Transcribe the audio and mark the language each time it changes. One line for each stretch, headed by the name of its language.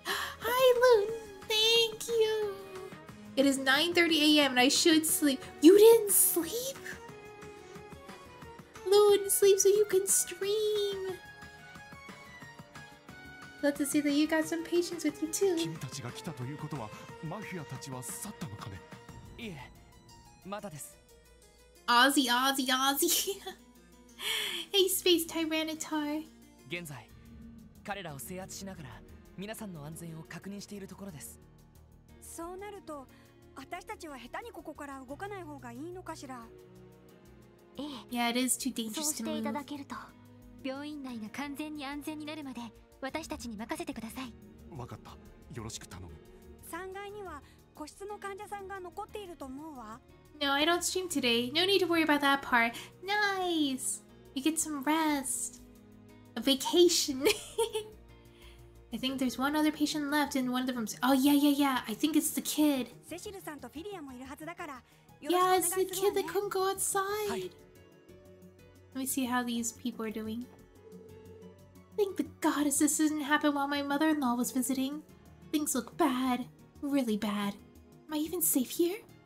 English: Hi, Loon! Thank you! It is 9:30 a.m. and I should sleep. You didn't sleep? Loon, sleep so you can stream! Glad to see that you got some patience with you too.
Japanese: 君たちが来たということは、マフィアたちは去ったのかね。いえ、まだです。
English: Ozzy, Ozzy, Ozzy. Hey, Space Tyranitar.
Japanese: 現在、彼らを制圧しながら、皆さんの安全を確認しているところです。そうなると、私たちは下手にここから動かない方がいいのかしら。ええ。
English: Yeah, it is too dangerous to move.
Japanese: そうしていただけると、病院内が完全に安全になるまで。私たちに任せてください。わかった。よろしく頼む。 3階には個室の患者さんが残っていると思うわ。
English: No, I don't stream today. No need to worry about that part. Nice! You get some rest. A vacation. I think there's one other patient left in one of the rooms. Oh, yeah, yeah, yeah. I think it's the kid.
Japanese: セシルさんとフィリアもいるはずだから。
English: Yeah, it's the kid that couldn't go outside. Let me see how these people are doing. Thank the goddess this didn't happen while my mother-in-law was visiting. Things look bad. Really bad. Am I even safe here?